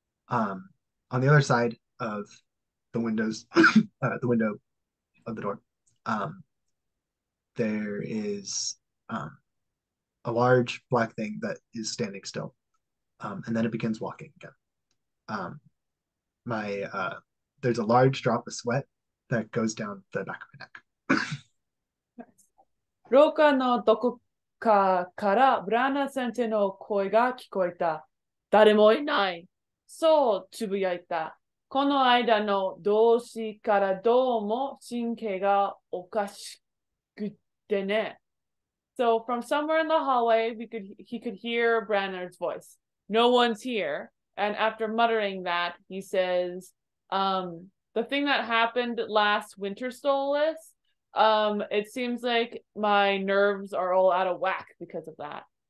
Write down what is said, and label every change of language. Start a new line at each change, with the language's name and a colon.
English: On the other side of the windows, the window of the door, there is a large black thing that is standing still, and then it begins walking again. There's a large drop of sweat that goes down the back of my neck.
Japanese: 廊下のどこかからブラナ先生の声が聞こえた。誰もいない。そうつぶやいた。この間の動詞からどうも神経がおかしくてね。
English: So from somewhere in the hallway, he could hear Branner's voice. No one's here. And after muttering that, he says, the thing that happened last winter stole us. It seems like my nerves are all out of whack because of that.